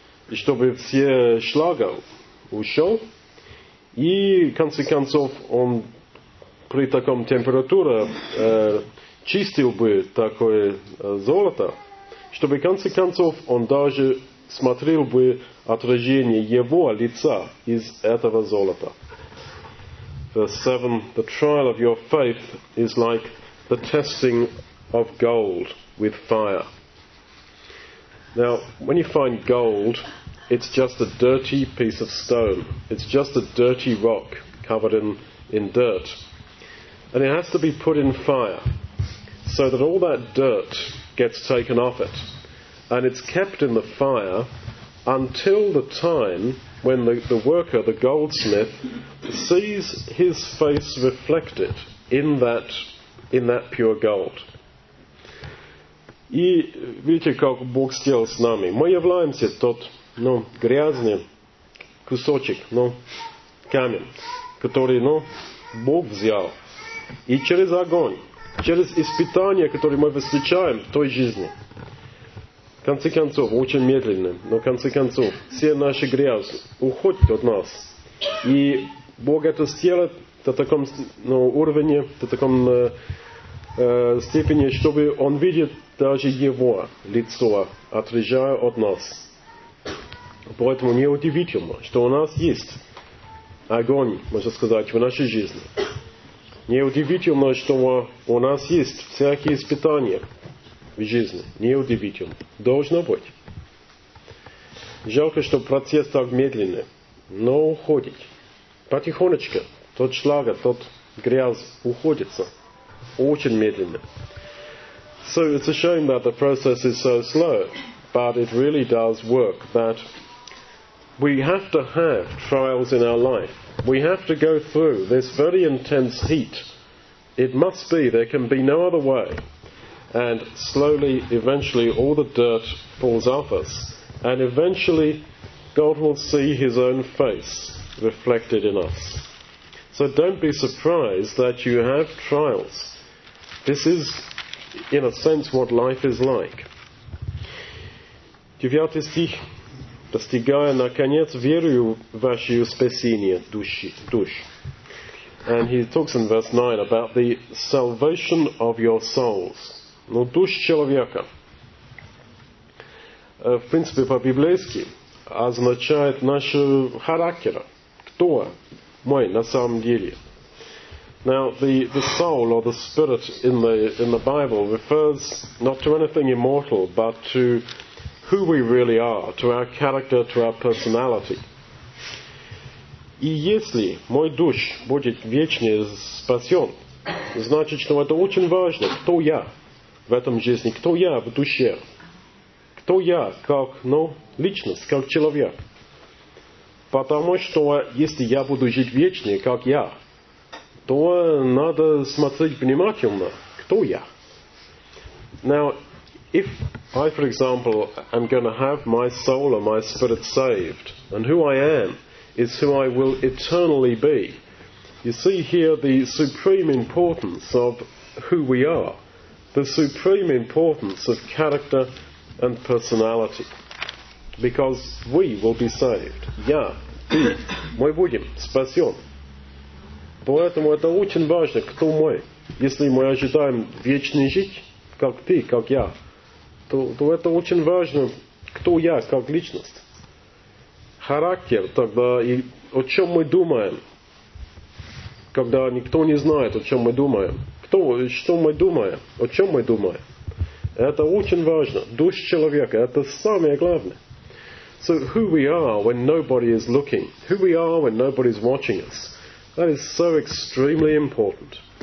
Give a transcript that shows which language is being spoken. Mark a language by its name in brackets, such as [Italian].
[Russian] И чтобы все шлага ушел. И в конце концов он при таком температуре чистил бы такое золото. Чтобы в конце концов он даже смотрел бы отражение его лица из этого золота. [English] Verse 7, the trial of your faith is like the testing of gold with fire. Now, when you find gold, it's just a dirty piece of stone. It's just a dirty rock covered in dirt. And it has to be put in fire so that all that dirt gets taken off it. And it's kept in the fire until the time when the worker, the goldsmith, sees his face reflected in that pure gold. [Russian] И видите, как Бог сделал с нами. Мы являемся тот грязный кусочек, камень, который Бог взял. И через огонь, через испытания, которые мы встречаем в той жизни, в конце концов, очень медленно, но в конце концов, все наши грязи уходят от нас. И Бог это сделает на таком уровне, на таком степени, чтобы Он видел даже Его лицо, отрезая от нас. Поэтому неудивительно, что у нас есть огонь, можно сказать, в нашей жизни. Неудивительно, что у нас есть всякие испытания в жизни. Неудивительно. Должно быть. Жалко, что процесс так медленный. Но уходит. Потихонечку. Тот шлага, тот грязь уходится. Очень медленно. [English] So it's a shame that the process is so slow. But it really does work. That we have to have trials in our life. We have to go through this very intense heat. It must be. There can be no other way. and slowly, eventually, all the dirt falls off us, and eventually, God will see His own face reflected in us. So don't be surprised that you have trials. This is, in a sense, what life is like. [Ukrainian] Дев'ятий [Russian] стих [Ukrainian] достигає [Russian] наконец верою вашею [Ukrainian] спасіння [Russian] душ. [English] And he talks in verse 9 about the salvation of your souls. [Russian] Ну, душ человека. В принципе, по-библейски означает наше характера. Кто мой на самом деле? [English] Now, the soul or the spirit in the Bible refers not to anything immortal, but to who we really are, to our character, to our personality. [Russian] И если мой душ будет вечно спасен, значит, что это очень важно, кто я в этом жизни, кто я в душе, кто я как, ну, личность, как человек. Потому что если я буду жить вечно, как я, то надо смотреть внимательно, кто я. [English] Now, if I, for example, am going to have my soul or my spirit saved, and who I am is who I will eternally be. You see here the supreme importance of who we are, the supreme importance of character and personality, because we will be saved. [Russian] Я, ты, мы будем спасен. Поэтому это очень важно, кто мы. Если мы ожидаем вечной жизни, как ты, как я, то это очень важно, кто я как личность. Характер тогда, и о чем мы думаем, когда никто не знает, о чем мы думаем. Кто, что мы думаем, о чем мы думаем. Это очень важно. Душ человека, это самое главное. [English] So who we are when nobody is looking, who we are when nobody is watching us, that is so extremely important.